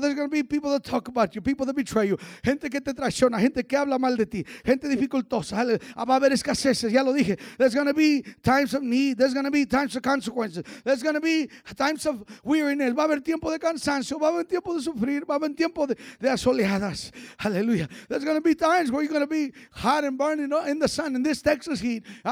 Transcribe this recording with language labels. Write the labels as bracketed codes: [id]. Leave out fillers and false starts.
[en] There's going to be people that talk about you, people that betray you. [es] Gente que te traiciona, gente que habla mal de ti, gente dificultosa. Aleluya. Va a haber escaseces, ya lo dije. [en] There's going to be times of need. There's going to be times of consequences. There's going to be times of weariness. [es] Va a haber tiempo de cansancio, va a haber tiempo de sufrir, va a haber tiempo de asoleadas. Aleluya. [en] There's going to be times where you're going to be hot and burning in the sun in this Texas heat.